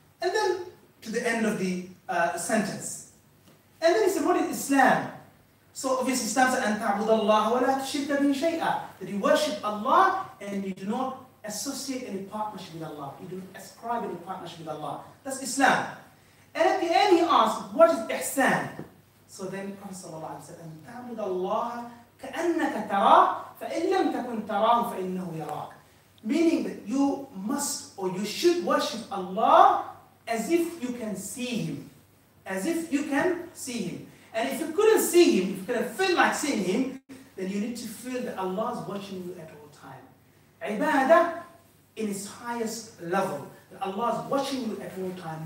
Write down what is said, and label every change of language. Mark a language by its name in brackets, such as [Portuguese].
[English] And then to the end of the sentence. And then he said, what is Islam? So obviously Islam says, [Arabic] أن تعبد الله ولا تشرك به شيئا, [English] that you worship Allah and you do not associate any partnership with Allah. You do not ascribe any partnership with Allah. That's Islam. And at the end he asked, what is Ihsan? So then Prophet sallallahu alayhi wa sallam said, [Arabic] أن تعبد الله كأنك ترى فإن لم تكن تراه فإنه يراك. [English] Meaning that you must or you should worship Allah as if you can see him. As if you can see him. And if you couldn't see him, if you couldn't feel like seeing him, then you need to feel that Allah is watching you at all time. Ibadah in its highest level. That Allah is watching you at all time.